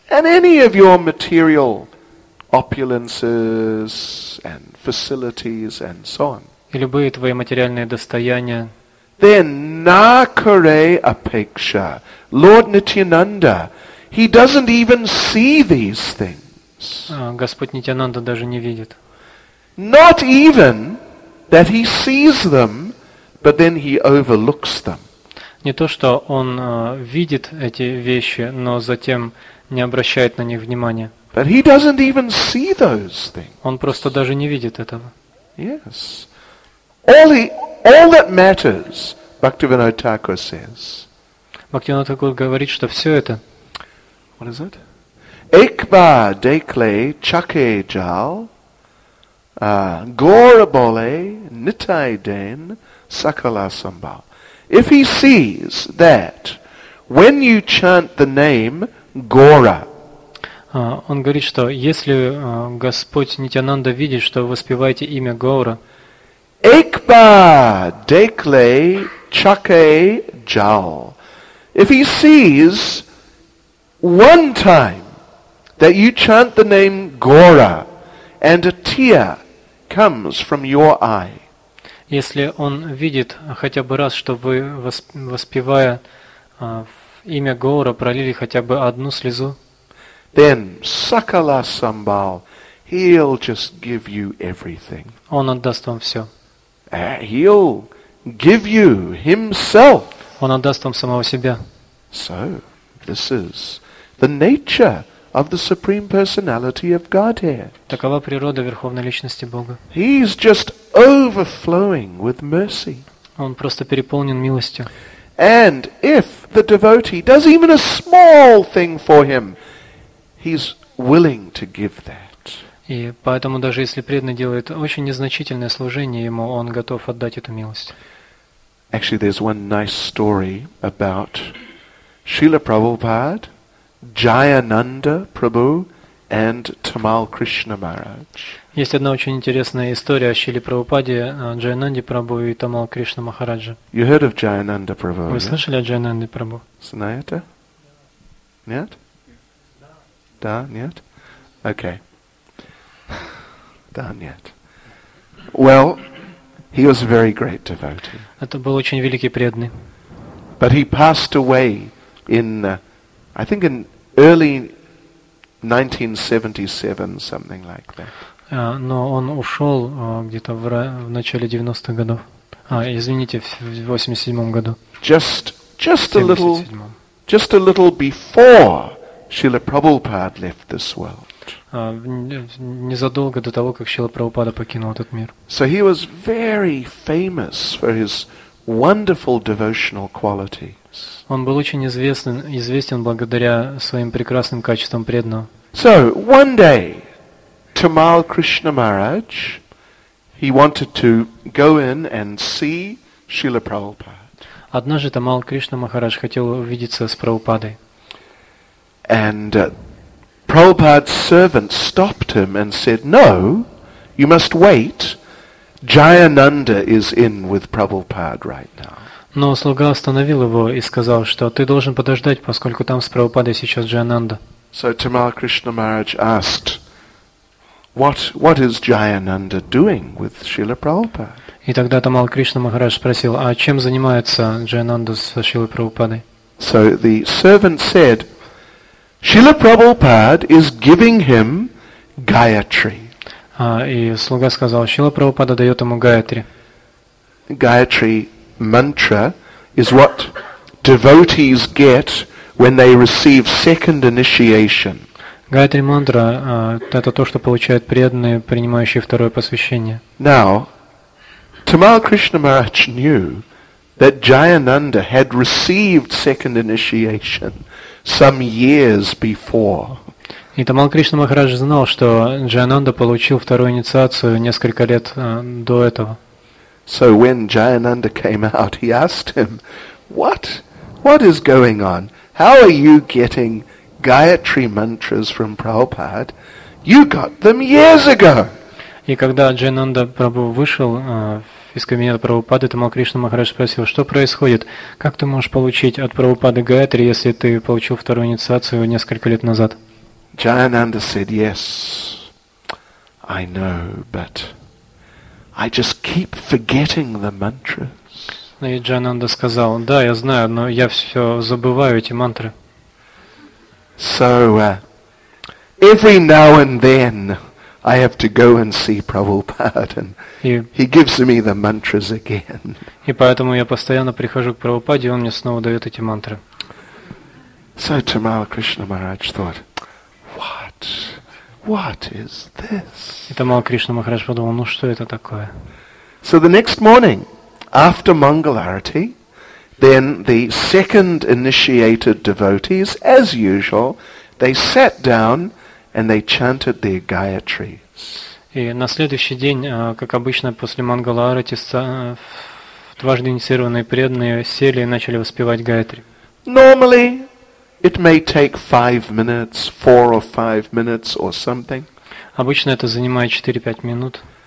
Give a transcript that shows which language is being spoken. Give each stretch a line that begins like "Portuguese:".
English: And any of your material opulences and facilities and so on.
Russian: И любые твои материальные достояния.
English: Then
Bangla: nākare apeksha,
English: Lord Nityananda, he doesn't even see these things.
Russian: Господь Нитянанда даже не видит.
English: Not even that he sees them, but then he overlooks them.
Russian: Не то, что он видит эти вещи, но затем не обращает на них внимания.
English: But he doesn't even see those things.
Russian: Он просто даже не видит этого.
English: Yes. All that matters, Bhaktivinoda Thakur says.
Russian: Bhaktivinoda Thakur говорит, что все это.
English: What is it?
Bangla: Ekba dekle chake jal, gorabole nitai den sakala sambal.
English: If he sees that when you chant the name Gora.
Russian: Он говорит, что если Господь Нитянанда видит, что вы воспеваете имя Гора.
Bangla: Ekba dekle chake jal.
English: If he sees one time that you chant the name Gora and a tear comes from your eye.
Russian: Если он видит хотя бы раз, что вы, воспевая имя Гора, пролили хотя бы одну слезу,
English: then
Bangla: sakala sambal,
English: he'll just give you everything.
Russian: Он отдаст вам все.
English: He'll give you himself.
Russian: Он отдаст вам самого себя.
English: So, this is the nature of the Supreme Personality of Godhead.
Russian: Такова природа Верховной Личности Бога.
English: He's just overflowing with mercy.
Russian: Он просто переполнен милостью.
English: And if the devotee does even a small thing for him, he's willing to give that.
Russian: И поэтому даже если преданный делает очень незначительное служение ему, он готов отдать эту милость.
English: Actually, there's one nice story about Srila Prabhupada, Jayananda Prabhu and Tamal Krishna Maharaj.
Russian: Есть одна очень интересная история о Шриле Прабхупаде, Джайананде Прабху и Тамал Кришна Махараджа.
English: You heard of Jayananda Prabhu?
Russian: Вы слышали о Джайананде Прабху? Знаете? Нет? Да, нет? Okay. Да, нет.
English: Well, he was a very great devotee.
Russian: Это был очень великий преданный.
English: But he passed away in, I think in early 1977, something like that.
Russian: Но он ушел где-то в начале 90-х годов. Извините, в 87-м году.
English: Just a little before Srila Prabhupada left this world.
Russian: Незадолго до того, как Шрила Прабхупада покинул этот мир.
English: So he was very famous for his wonderful devotional qualities.
Russian: Он был очень известен благодаря своим прекрасным качествам преданного.
English: So one day, Tamal Krishna Maharaj, he wanted to go in and see Srila Prabhupada.
Russian: Однажды Тамал Кришна Махарадж хотел увидеться с Прабхупадой.
English: And Prabhupada's servant stopped him and said, "No, you must wait. Jayananda is in with Prabhupada right now."
Russian: Но слуга остановил его и сказал, что ты должен подождать, поскольку там с Прабхупадой сейчас Джайананда.
English: So Tamal Krishna Maharaj asked, what is Jayananda doing with Srila Prabhupada?
Russian: И тогда Тамал Кришна Махарадж спросил, а чем занимается Джайананда с Шрилой Прабхупадой?
English: So the servant said, Srila Prabhupada is giving him Gayatri.
Russian: И слуга сказал, Шрила Прабхупада дает ему Гаятри.
English: Gayatri mantra is what devotees get when they receive second initiation.
Russian: Гаятри мантра – это то, что получают преданные, принимающие второе посвящение.
English: Now, Tamal Krishna Maharaj knew that Jayananda had received second initiation some years before.
Russian: И Тамал Кришна Махарадж знал, что Джайананда получил вторую инициацию несколько лет до этого.
English: So when Jayananda came out, he asked him, "What is going on? How are you getting Gayatri mantras from Prabhupada? You got them years ago."
Russian: И когда Джайананда Прабху вышел из кабинета Прабхупады, Тамал Кришна Махарадж спросил, что происходит? Как ты можешь получить от Прабхупады Гаятри, если ты получил вторую инициацию несколько лет назад?
English: Jayananda said, "Yes, I know, but I just keep forgetting the mantras."
Russian: И Джайананда сказал: «Да, я знаю, но я все забываю эти мантры».
English: So, every now and then I have to go and see Prabhupada, and he gives me the mantras again.
Russian: И поэтому я постоянно прихожу к Прабхупаде, и он мне снова дает эти мантры.
English: So Tamal Krishna Maharaj thought, what? What is this?
Russian: И Тамал Кришна Махарадж подумал, ну что это такое?
English: So the next morning, after Mangalarati, then the second initiated devotees, as usual, they sat down and they chanted their Gayatris.
Russian: И на следующий день, как обычно после Мангаларати, дважды инициированные преданные сели и начали воспевать Гаятри.
English: Normally, it may take 5 minutes, 4 or 5 minutes or something.
Russian: Обычно это занимает 4-5 минут.